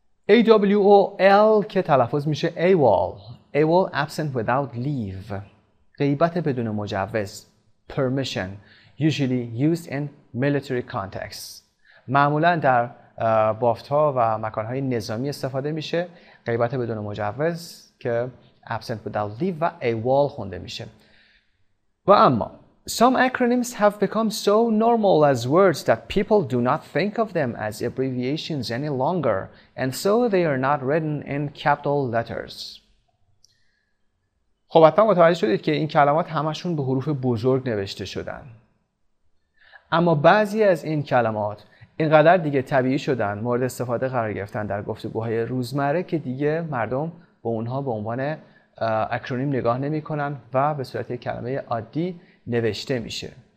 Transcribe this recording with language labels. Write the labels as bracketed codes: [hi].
[fa] A-W-O-L که تلفظ میشه AWOL، AWOL [en] absent without leave، [fa] غیبت بدون مجوز، permission، [en] usually used in military context، [fa] معمولا در بافت‌ها و مکان‌های نظامی استفاده میشه، غیبت بدون مجوز که absent without leave و AWOL خونده میشه. و اما [en] some acronyms have become so normal as words that people do not think of them as abbreviations any longer and so they are not written in capital letters. [fa] خب حتما متوجه شدید که این کلمات همشون به حروف بزرگ نوشته شدن، اما بعضی از این کلمات اینقدر دیگه طبیعی شدن، مورد استفاده قرار گرفتن در گفتگوهای روزمره که دیگه مردم به اونها به عنوان اکرونیم نگاه نمی کنن و به صورت یک کلمه عادی نوشته میشه.